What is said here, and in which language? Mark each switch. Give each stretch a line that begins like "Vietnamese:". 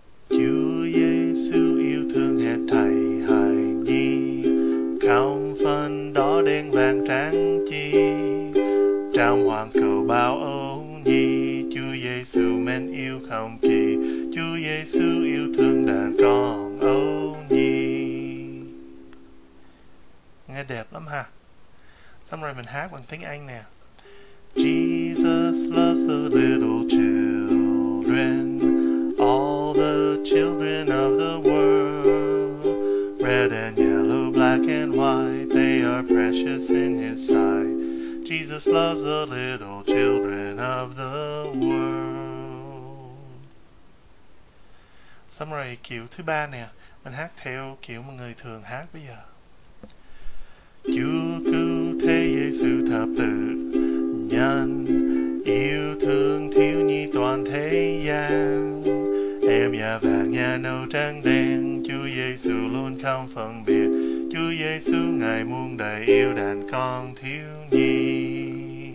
Vietnamese: Chúa Giêsu yêu thương hết thảy hài nhi, không phân đỏ đen vàng trắng chi, trong hoàng cầu bao ốm nhi, Chúa Giêsu mến yêu không kỳ, Chúa Giêsu yêu thương đàn con ốm nhi. Nghe đẹp lắm ha. Xong rồi mình hát bằng tiếng Anh nè.
English: Jesus loves the little children, all the children of the world. Red and yellow, black and white, they are precious in his sight. Jesus loves the little children of the world.
Vietnamese: Xong rồi kiểu thứ ba nè, mình hát theo kiểu mà người thường hát bây giờ. Chúa cứu thế Giêsu thập tự nhân, yêu thương thiếu nhi toàn thế gian. Em da vàng da nâu trắng đen, Chúa Giêsu luôn không phân biệt. Chúa Giêsu ngài muôn đời yêu đàn con thiếu nhi.